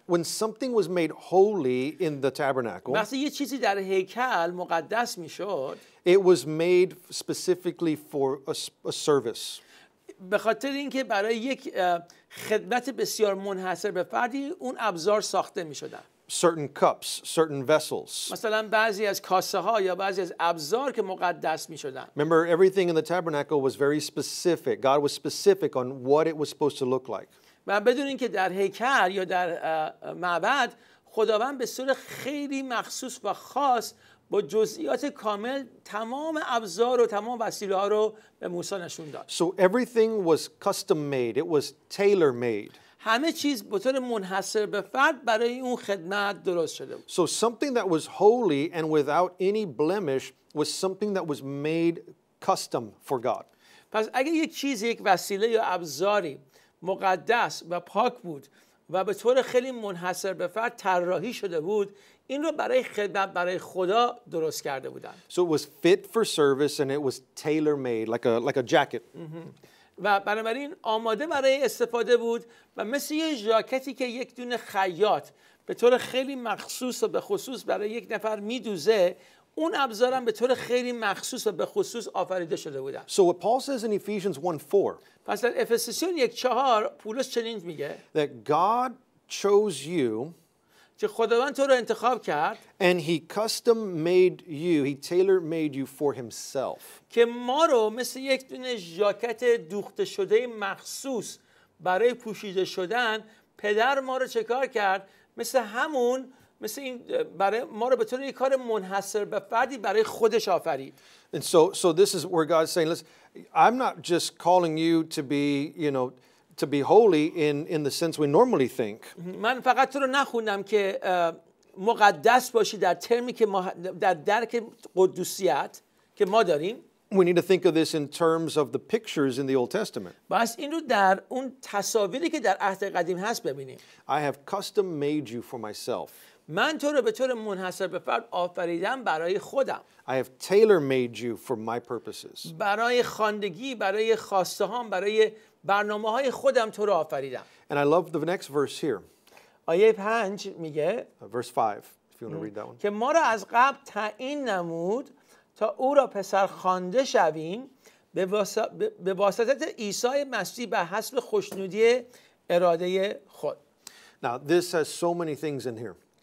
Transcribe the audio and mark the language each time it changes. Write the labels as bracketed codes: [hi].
[en] When something was made holy in the tabernacle. [fa] وقتی یه چیزی در هیکل مقدس میشد. [en] It was made specifically for a service. [fa] به خاطر اینکه برای یک خدمت بسیار منحصر به فردی اون ابزار ساخته می‌شدن. [en] Certain cups, certain vessels. [fa] مثلا بعضی از کاسه‌ها یا بعضی از ابزار که مقدس می‌شدن. [en] Remember everything in the tabernacle was very specific. God was specific on what it was supposed to look like. [fa] و بدون اینکه در هیکل یا در معبد خداوند به صورت خیلی مخصوص و خاص با جزئیات کامل تمام ابزار و تمام وسیله‌ها رو به موسی نشون داد. [en] So everything was custom made. It was tailor made. [fa] همه چیز به طور منحصر به فرد برای اون خدمت درست شده بود. [en] So something that was holy and without any blemish was something that was made custom for God. [fa] پس اگه یک چیز یک وسیله یا ابزاری مقدس و پاک بود و به طور خیلی منحصر به فرد طراحی شده بود، این رو برای خدمت برای خدا درست کرده بودند. [en] So it was fit for service and it was tailor-made like a jacket. [fa] و بنابراین آماده برای استفاده بود و مثل یه ژاکتی که یک دونه خیاط به طور خیلی مخصوص و به خصوص برای یک نفر میدوزه، اون ابزارم به طور خیلی مخصوص و به خصوص آفریده شده بودن. [en] So what Paul says in Ephesians 1:4. [fa] پس در افسسیان 1:4 پولس چنین میگه. [en] That God chose you. [fa] که خداوند تو رو انتخاب کرد. [en] And he custom made you, he tailor made you for himself. [fa] که ما رو مثل یک دونه ژاکت دوخته شده مخصوص برای پوشیده شدن، پدر ما رو چه کار کرد؟ مثل این برای ما رو به طور یک کار منحصر به فردی برای خودش آفرید. [en] And so this is where God's saying, listen, I'm not just calling you to be, you know, to be holy in the sense we normally think. [fa] من فقط تو رو نخوندم که مقدس باشی در ترمی که ما در درک قدوسیت که ما داریم. [en] We need to think of this in terms of the pictures in the Old Testament. [fa] بس این رو در اون تصاویری که در عهد قدیم هست ببینیم. [en] I have custom made you for myself. [fa] من تو رو به طور منحصر به فرد آفریدم برای خودم. [en] I have tailor made you for my purposes. [fa] برای خواندگی، برای خواسته هام، برای برنامه های خودم تو رو آفریدم. [en] And I love the next verse here. [fa] آیه 5 میگه. [en] Verse 5, if you want to read that one. [fa] که ما را از قبل تعیین نمود تا او را پسر خوانده شویم به واسطت عیسی مسیح به حسب خوشنودی اراده خود. [en] Now this has so many things in here.